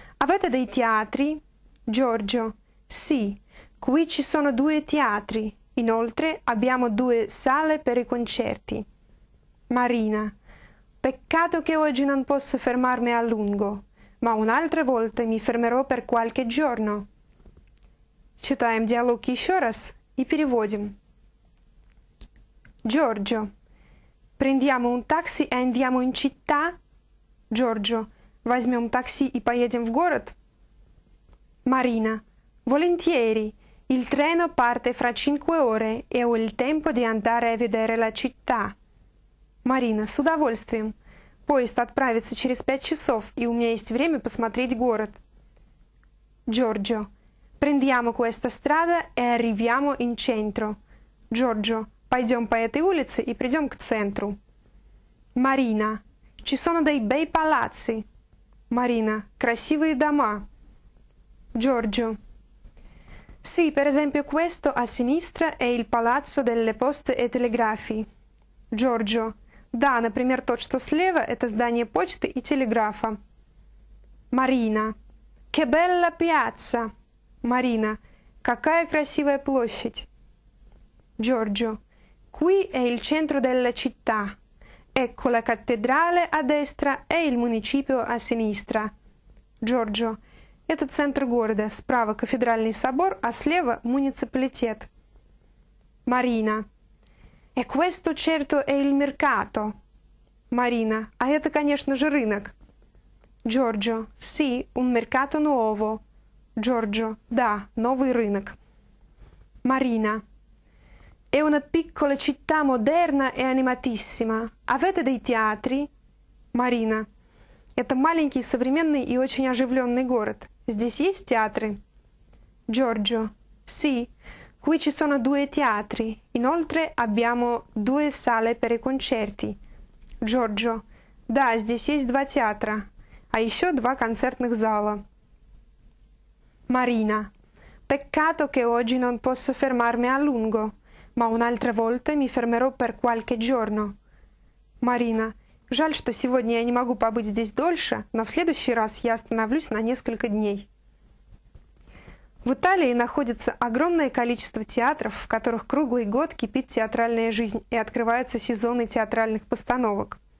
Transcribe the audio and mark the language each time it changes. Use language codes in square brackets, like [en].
[it] Avete dei teatri? Giorgio. Sì, qui ci sono due teatri. Inoltre abbiamo due sale per i concerti. Marina. Peccato che oggi non posso fermarmi a lungo, ma un'altra volta mi fermerò per qualche giorno. [ru] Читаем диалог еще раз и переводим. [it] Giorgio. Prendiamo un taxi e andiamo in città? Giorgio. [ru] Возьмем такси и поедем в город? [it] Marina. Volentieri. Il treno parte fra cinque ore e ho il tempo di andare a vedere la città. [ru] Marina. С удовольствием. Поезд отправится через пять часов, и у меня есть время посмотреть город. [it] Giorgio. Prendiamo questa strada e arriviamo in centro. Giorgio. [ru] Пойдем по этой улице и придем к центру. [it] Марина. Ci sono dei bei palazzi. Марина. [ru] Красивые дома. Джорджо. [it] Sì, per esempio questo a sinistra è il Palazzo delle Poste e Telegrafi. [ru] Джорджо. Да, например, тот, что слева, это здание почты и телеграфа. [it] Марина. Che bella piazza. Марина. [ru] Какая красивая площадь. Джорджо. [it] Qui è il centro della città. Ecco la cattedrale a destra e il municipio a sinistra. Giorgio. [ru] Это центр города. Справа кафедральный собор, а слева муниципалитет. Марина. [it] «E questo certo è il mercato». [ru] Марина. «А это, конечно же, рынок». Джорджо. [it] «Sì, un mercato nuovo». Джорджо. [ru] «Да, новый рынок». Марина. [it] «È una piccola città moderna e animatissima. Avete dei teatri?» Марина. [ru] «Это маленький, современный и очень оживленный город. Здесь есть театры?» Джорджо. «Sì». [it] Qui ci sono due teatri. Inoltre abbiamo due sale per i concerti. Giorgio. [ru] Да, здесь есть два театра. А еще два концертных зала. Марина. [it] Peccato che oggi non posso fermarmi a lungo. Ma un'altra volta mi fermerò per qualche giorno. Марина. [ru] Жаль, что сегодня я не могу побыть здесь дольше, но в следующий раз я остановлюсь на несколько дней. В Италии находится огромное количество театров, в которых круглый год кипит театральная жизнь и открываются сезоны театральных постановок.